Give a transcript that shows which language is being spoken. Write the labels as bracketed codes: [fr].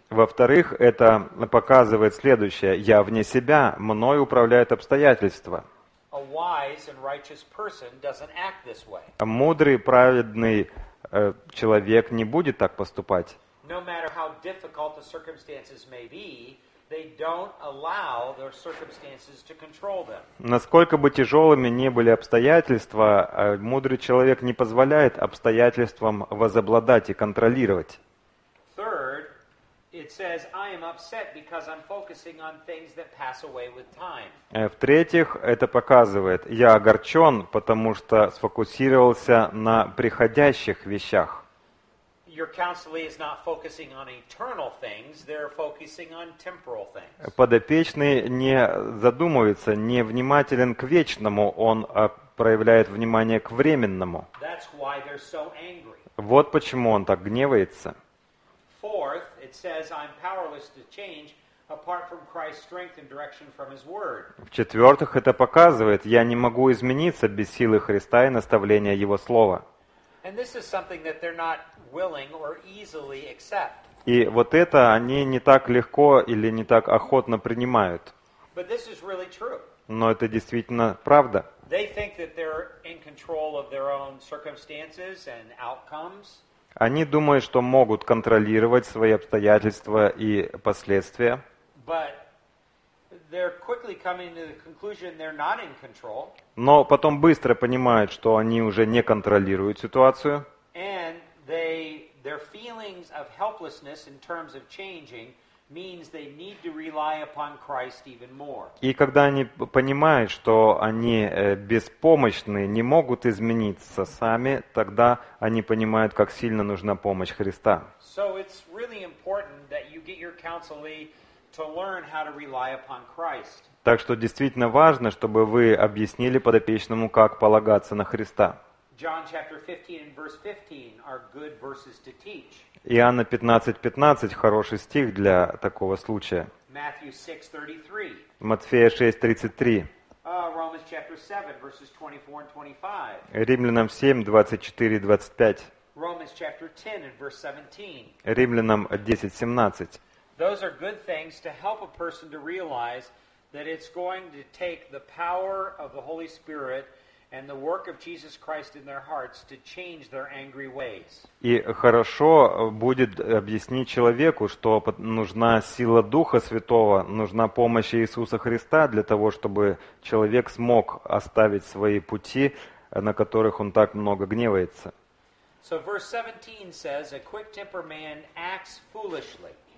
[ru] Во-вторых, это показывает следующее. Я вне себя. Мной управляют обстоятельства. [en] A wise and righteous person doesn't act this way. [ru] Мудрый, праведный человек не будет так поступать. [en] No matter how difficult the circumstances may be, they don't allow their circumstances to control them. [ru] Насколько бы тяжелыми ни были обстоятельства, мудрый человек не позволяет обстоятельствам возобладать и контролировать. [en] Third, it says, I am upset because I'm focusing on things that pass away with time. [ru] В-третьих, это показывает, я огорчен, потому что сфокусировался на приходящих вещах. [en] Your counselee is not focusing on eternal things, they're focusing on temporal things. [ru] Подопечный не задумывается, не внимателен к вечному, он проявляет внимание к временному. [en] That's why they're so angry. [ru] Вот почему он так гневается. [en] Fourth, it says I'm powerless to change apart from Christ's strength and direction from his word. [ru] В-четвертых, это показывает, я не могу измениться без силы Христа и наставления его слова. [en] And this is something that they're not willing or easily accept. [ru] И вот это они не так легко или не так охотно принимают. [en] But this is really true. [ru] Но это действительно правда. [en] They think that they're in control of their own circumstances and outcomes. [ru] Они думают, что могут контролировать свои обстоятельства и последствия. [en] But they're quickly coming to the conclusion they're not in control. [ru] Но потом быстро понимают, что они уже не контролируют ситуацию. [en] And their feelings of helplessness in terms of changing means they need to rely upon Christ even more. [ru] И когда они понимают, что они беспомощны, не могут измениться сами, тогда они понимают, как сильно нужна помощь Христа. [en] So it's really important that you get your counselee to learn how to rely upon Christ. [ru] Так что действительно важно, чтобы вы объяснили подопечному, как полагаться на Христа. [en] John chapter 15 and verse 15 are good verses to teach. [ru] Иоанна 15:15 хороший стих для такого случая. [en] Matthew 6:33. [ru] Матфея 6:33. [en] Romans chapter 7 verses 24 and 25. [ru] Римлянам 7:24-25. [en] Romans chapter 10 and verse 17. [ru] Римлянам 10:17. [en] Those are good things to help a person to realize that it's going to take the power of the Holy Spirit and the work of Jesus Christ in their hearts to change their angry ways. [ru] И хорошо будет объяснить человеку, что нужна сила Духа Святого, нужна помощь Иисуса Христа для того, чтобы человек смог оставить свои пути, на которых он так много гневается. [en] So verse 17 says a quick-tempered man acts foolishly.